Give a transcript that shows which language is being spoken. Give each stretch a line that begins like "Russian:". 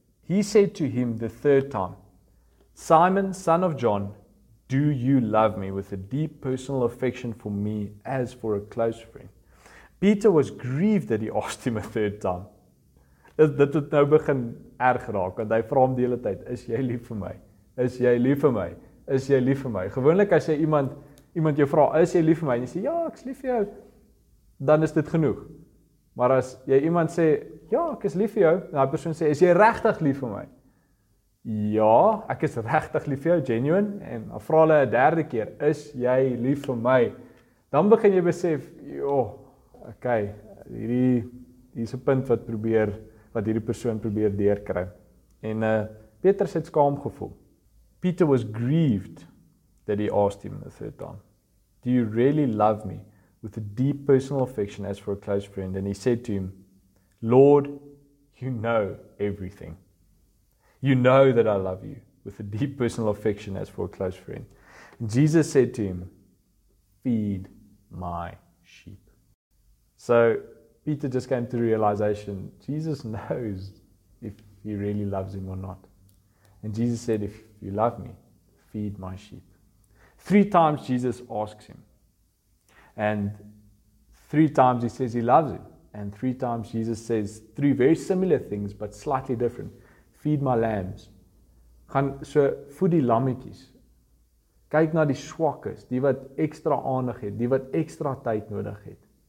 English: He said to him the third time, Simon, son of John, do you love me with a deep personal affection for me as for a close friend? Peter was grieved that he asked him a third time.
Afrikaans: Dit het nou begin erg raak, want hy vra hom die hele tyd, is jy lief vir my? Is jy lief vir my? Is jy lief vir my? Gewoonlik as jy iemand jou vra, is jy lief vir my? En jy sê, ja, ek is lief vir jou, dan is dit genoeg. Maar as jy iemand sê, ja, ek is lief vir jou, en die persoon sê, is jy regtig lief vir my? Ja, ek is regtig lief vir jou, genuine, en dan vra hulle 'n derde keer, is jy lief vir my? Dan begin jy besef, okay, hier is 'n punt wat hierdie persoon probeer deurkry. En Petrus het skaam gevoel.
English: Peter was grieved that he asked him the third time, do you really love me with a deep personal affection as for a close friend? And he said to him, Lord, you know everything. You know that I love you with a deep personal affection as for a close friend. And Jesus said to him, feed my sheep. So Peter just came to realization, Jesus knows if he really loves him or not. And Jesus said, if you love me, feed my sheep. Three times Jesus asks him. And three times he says he loves him. And three times Jesus says three very similar things, but slightly different. Feed my lambs.
Afrikaans: Gaan so voed die lammetjies. Kyk na die swakkes, die wat ekstra aandag het, die wat ekstra tyd nodig het.